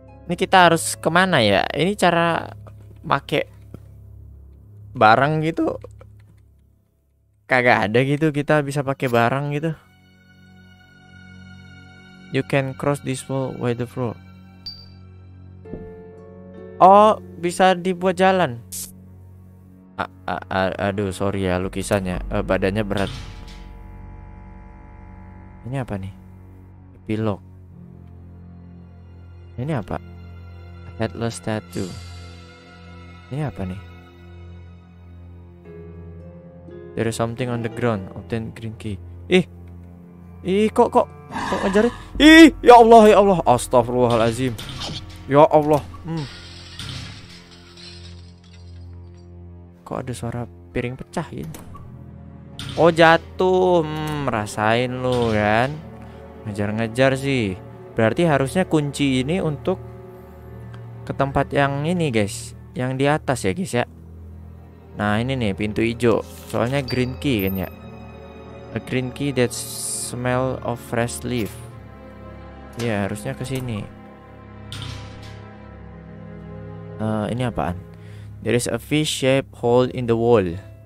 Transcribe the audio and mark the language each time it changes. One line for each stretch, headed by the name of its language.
Indonesian: Ini kita harus kemana ya? Ini cara make barang gitu kagak ada gitu, kita bisa pakai barang gitu.
English: You can cross this wall with the floor.
Indonesian: Oh, bisa dibuat jalan. Aduh, sorry ya lukisannya. Badannya berat. Ini apa nih? Pilok. Ini apa?
English: Headless statue.
Indonesian: Ini apa nih?
English: There is something on the ground. Obtain green key.
Indonesian: Kok ngajarin? Ya Allah, astagfirullahalazim. Ya Allah. Kok ada suara piring pecah gitu? Oh jatuh, merasain lu kan? Ngejar-ngejar sih. Berarti harusnya kunci ini untuk ke tempat yang ini guys, yang di atas ya guys ya. Nah ini nih pintu hijau, soalnya green key kan ya.
English: A green key that smell of fresh leaf.
Indonesian: Ya harusnya kesini. Ini apaan?
English: There is a V-shaped hole in the wall.